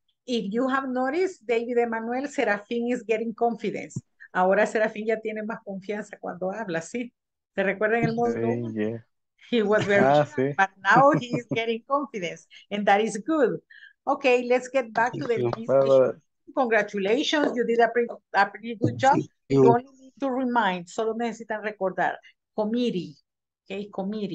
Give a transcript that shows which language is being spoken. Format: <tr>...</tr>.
<en>If you have noticed, David Emanuel, Serafín is getting confidence.</en> <es>Ahora Serafín ya tiene más confianza cuando habla, ¿sí? ¿Te recuerdan el modo? Sí, yeah.</es> <en>He was very shy, sí. But now he is getting confidence, and that is good. Okay, let's get back to the presentation. Congratulations, you did a pretty good job. You only need to remind,</en> <es>solo necesitan recordar,</es> <en>comiri, okay, comiri.</en>